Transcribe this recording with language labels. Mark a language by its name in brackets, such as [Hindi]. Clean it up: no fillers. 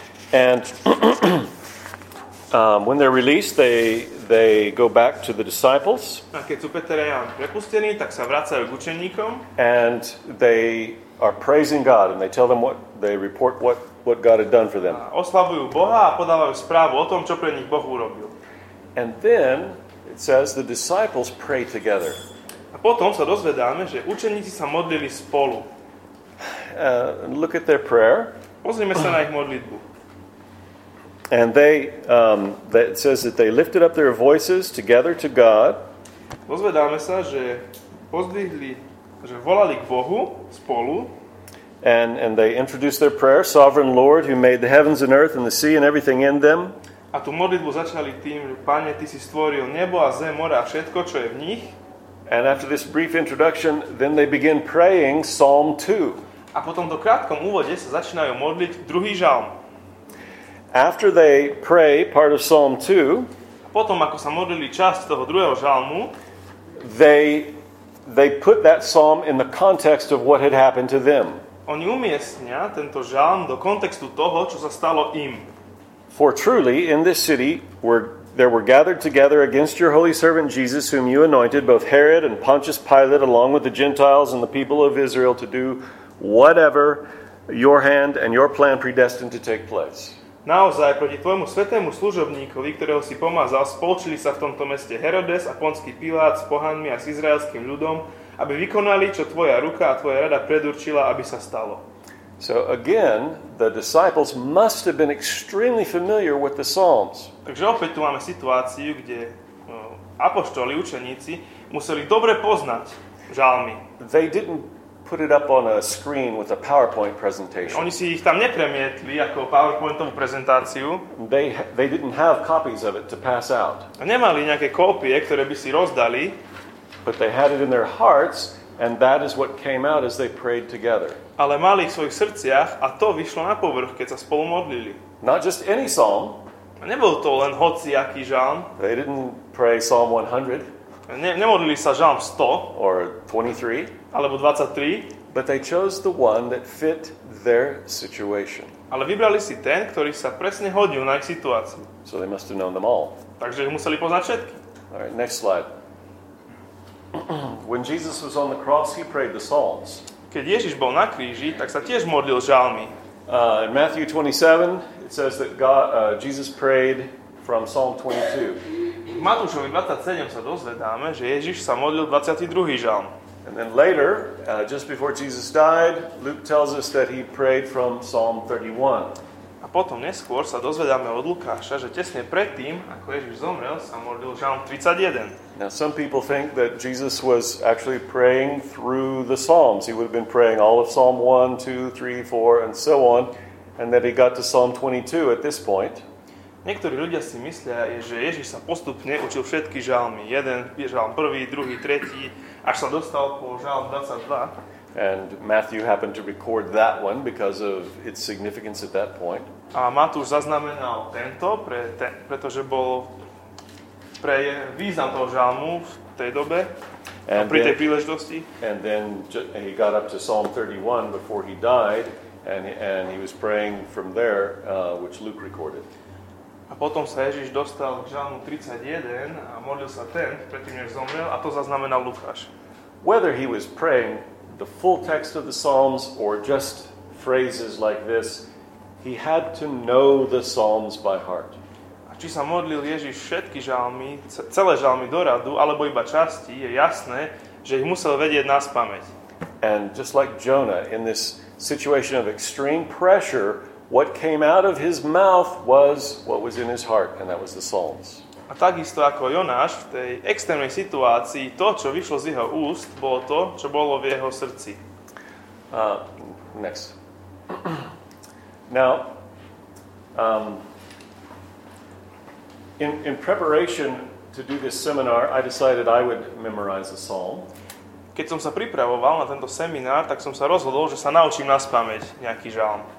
[English] And when they're released, they go back to the disciples. [Slovak] A keď sú Peter a Jan prepustení, tak sa vracajú k učeníkom. [English] And they are praising God and they tell them what God had done for them. [Slovak] A oslavujú Boha a podávajú správu o tom, čo pre nich Boh urobil. [English] And then it says the disciples pray together. [Slovak] A potom sa dozvedáme, že učeníci sa modlili spolu. [English] Look at their prayer. [Slovak] Pozrime sa na ich modlitbu. [English] And they that says that they lifted up their voices together to God. [Slovak] Dozvedáme sa, že pozdvihli, že volali k Bohu spolu. [English] And they introduced their prayer, Sovereign Lord, who made the heavens and earth and the sea and everything in them. [Slovak] A tú modlitbu začali tým, že Pane, ty si stvoril nebo a zem, more a všetko, čo je v nich. [English] And after this brief introduction, then they begin praying Psalm 2. [Slovak] A potom do krátkom úvode sa začínajú modliť druhý žalm. [English] After they pray part of Psalm 2, [Slovak] a potom ako sa modlili časť toho druhého žalmu, [English] they put that psalm in the context of what had happened to them. [Slovak] Oni umiestnia tento žalm do kontextu toho, čo sa stalo im. [English] For truly in this city there were gathered together against your holy servant Jesus, whom you anointed, both Herod and Pontius Pilate, along with the Gentiles and the people of Israel, to do whatever your hand and your plan predestined to take place. [Slovak] Naozaj, proti tvojmu svätému služobníkovi, ktorého si pomazal, spolčili sa v tomto meste Herodes a Pontský Pilát s pohanmi a s izraelským ľudom, aby vykonali, čo tvoja ruka a tvoja rada predurčila, aby sa stalo. [English] So again, the disciples must have been extremely familiar with the Psalms. [Slovak] Takže opäť tu máme situáciu, kde apoštoli, učeníci, museli dobre poznať žalmy. [English] They didn't put it up on a screen with a PowerPoint presentation. [Slovak] Oni si ich tam nepremietli ako PowerPointovú prezentáciu. [English] They didn't have copies of it to pass out. [Slovak] Nemali nejaké kópie, ktoré by si rozdali. [English] But they had it in their hearts, and that is what came out as they prayed together. [Slovak] Ale mali ich v svojich srdciach a to vyšlo na povrch, keď sa spolu modlili. [English] Not just any psalm. [Slovak] A nebol to len hociaký žalm. [English] They didn't pray Psalm 100. [Slovak] Nemodlili sa žalm 100. [English] Or 23. [Slovak] Alebo 23. [English] But they chose the one that fit their situation. [Slovak] Ale vybrali si ten, ktorý sa presne hodil na ich situáciu. [English] So they must have known them all. [Slovak] Takže ich museli poznať všetky. [English] All right, next slide. When Jesus was on the cross, he prayed the psalms. [Slovak] Keď Ježiš bol na kríži, tak sa tiež modlil žalmy. [English] In Matthew 27, it says that Jesus prayed from Psalm 22. [Slovak] V Matúšovi 27 sa dozvedáme, že Ježiš sa modlil 22. žalm. [English] And then later, just before Jesus died, Luke tells us that he prayed from Psalm 31. [Slovak] A potom neskôr sa dozvedáme od Lukáša, že tesne predtým, ako Ježiš zomrel, sa modlil Žalm 31. [English] Now some people think that Jesus was actually praying through the Psalms. He would have been praying all of Psalm 1, 2, 3, 4 and so on, and that he got to Psalm 22 at this point. [Slovak] Niektorí ľudia si myslia, že Ježiš sa postupne učil všetky žalmy. Jeden, žalm prvý, druhý, tretí, až sa dostal po žalm 22. [English] And Matthew happened to record that one because of its significance at that point. [Slovak] A Matúš zaznamenal tento, pretože bol pre význam toho žalmu v tej dobe, pri tej príležitosti. [English] And then he got up to Psalm 31 before he died, and he was praying from there, which Luke recorded. [Slovak] A potom sa Ježiš dostal k žalmu 31 a modlil sa ten, predtým než zomrel, a to zaznamenal Lukáš. [English] Whether he was praying the full text of the Psalms or just phrases like this, he had to know the Psalms by heart. [Slovak] A či sa modlil Ježiš všetky žalmy, celé žalmy do radu, alebo iba časti, je jasné, že ich musel vedieť na spameť. [English] And just like Jonah, in this situation of extreme pressure, what came out of his mouth was what was in his heart, and that was the Psalms. [Slovak] A takisto ako Jonáš v tej extrémnej situácii, to, čo vyšlo z jeho úst, bolo to, čo bolo v jeho srdci. [English] Next. Now, in preparation to do this seminar, I decided I would memorize the Psalm. [Slovak] Keď som sa pripravoval na tento seminár, tak som sa rozhodol, že sa naučím naspamäť nejaký žalm.